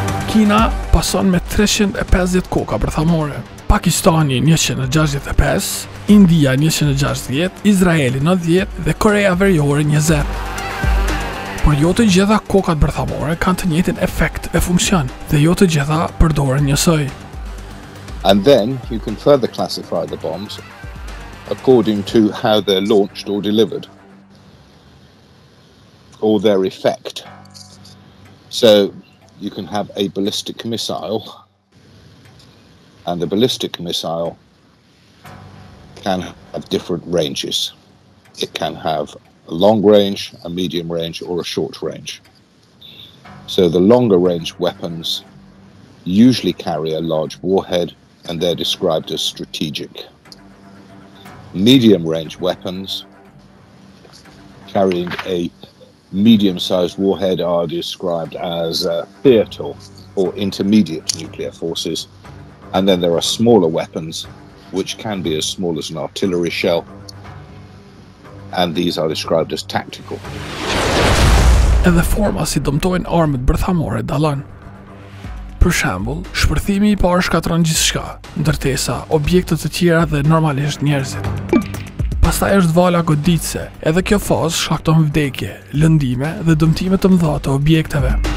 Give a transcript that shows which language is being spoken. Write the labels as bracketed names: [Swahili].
[Albanian] Kina pason me 350 koka bërthamore, Pakistani 165, India 160, Izraeli 90 dhe Korea Veriore 20. Por jo të gjitha kokat bërthamore kanë të njëjtin efekt e funksion dhe jo të gjitha përdoren njësoj. [English] And then you can further classify the bombs according to how they're launched or delivered or their effect. So you can have a ballistic missile, and the ballistic missile can have different ranges. It can have a long range, a medium range, or a short range. So the longer range weapons usually carry a large warhead, and they're described as strategic. Medium range weapons carrying a medium-sized warhead are described as theater or intermediate nuclear forces, and then there are smaller weapons which can be as small as an artillery shell, and these are described as tactical. [Albanian] Edhe forma si dëmtojnë armët bërthamore dalën. Për shembull, shpërthimi i parë shkatron gjithçka, ndërtesa, objekte të tjera dhe normalisht njerëzit. Pastaj është vala goditse, edhe kjo fazë shkakton vdekje, lëndime dhe dëmtime të mëdha të objekteve.